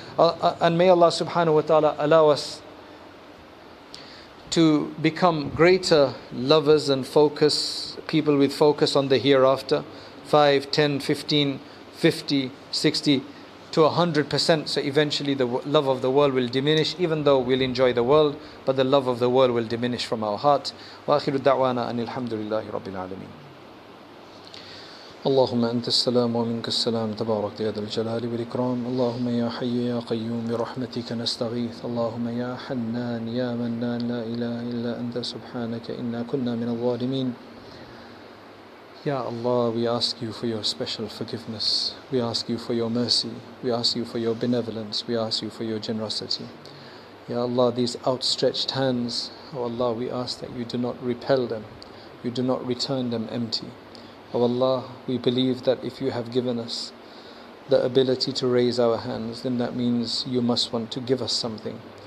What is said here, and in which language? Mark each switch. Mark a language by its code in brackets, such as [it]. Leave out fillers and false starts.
[en] And may Allah subhanahu wa ta'ala allow us to become greater lovers and focus, people with focus on the hereafter. 5, 10, 15, 50, 60 to 100%. So eventually the love of the world will diminish, even though we'll enjoy the world, but the love of the world will diminish from our heart. [ar] Wa akhiru da'wana an alhamdulillahi rabbil alameen. اللهم أنت السلام ومنك السلام تبارك يا ذا الجلال والإكرام اللهم يا حي يا قيوم برحمتك نستغيث اللهم يا حنان يا منان لا إله إلا أنت سبحانك إنا كنا من الظالمين يا الله [en] we ask you for your special forgiveness, we ask you for your mercy, we ask you for your benevolence, we ask you for your generosity. [ar] يا الله [en] these outstretched hands, oh Allah, we ask that you do not repel them, you do not return them empty. Oh Allah, we believe that if you have given us the ability to raise our hands, then that means you must want to give us something.